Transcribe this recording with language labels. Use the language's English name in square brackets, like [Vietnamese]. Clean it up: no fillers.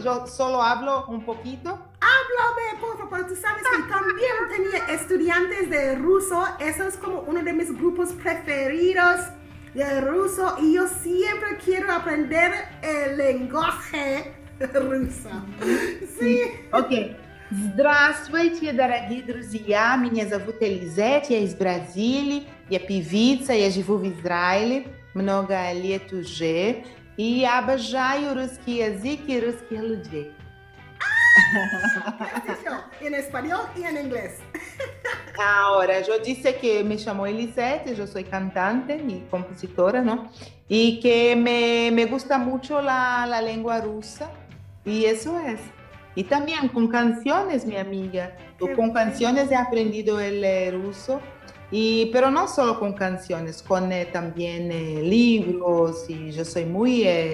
[Spanish] Yo solo hablo un poquito. Háblame, por favor. Tú sabes que también tenía estudiantes de ruso. Eso es como uno de mis grupos preferidos de ruso. Y yo siempre quiero aprender el lenguaje ruso. Sí. Ok. [Russian] Здравствуйте, дорогие друзья. Меня зовут Elisete. Я из Бразилии. Я певица. Я живу в Израиле. Много лет уже. И обожаю русский язык и русские люди. [Spanish] En español y en inglés. Ahora, yo dije que me llamo Elisete, yo soy cantante y compositora, ¿no? Y que me gusta mucho la lengua rusa, y eso es. Y también con canciones, mi amiga. Con canciones he aprendido el ruso, pero no solo con canciones, con también libros, y yo soy muy